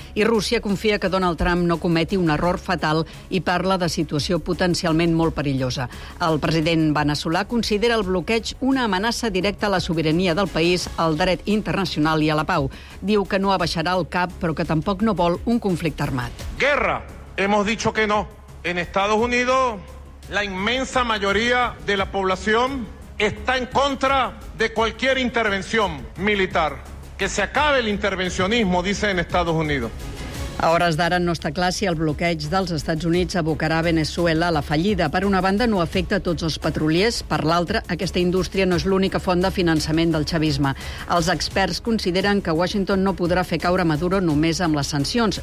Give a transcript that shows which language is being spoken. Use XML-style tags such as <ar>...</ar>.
<ca>I Rússia confia que Donald Trump no cometi un error fatal i parla de situació potencialment molt perillosa. El president veneçolà considera el bloqueig una amenaça directa a la sobirania del país, al dret internacional i a la pau. Diu que no abaixarà el cap, però que tampoc no vol un conflicte armat.</ca> <es>Guerra, hemos dicho que no. En Estados Unidos, la inmensa mayoría de la población está en contra de cualquier intervención militar. Que se acabe el intervencionismo, dice en Estados Unidos.</es> <ca>A hores d'ara no està clar si el bloqueig dels Estats Units abocarà Venezuela a la fallida. Per una banda, no afecta tots els petroliers. Per l'altra, aquesta indústria no és l'única font de finançament del chavisme. Els experts consideren que Washington no podrà fer caure Maduro només amb les sancions.</ca>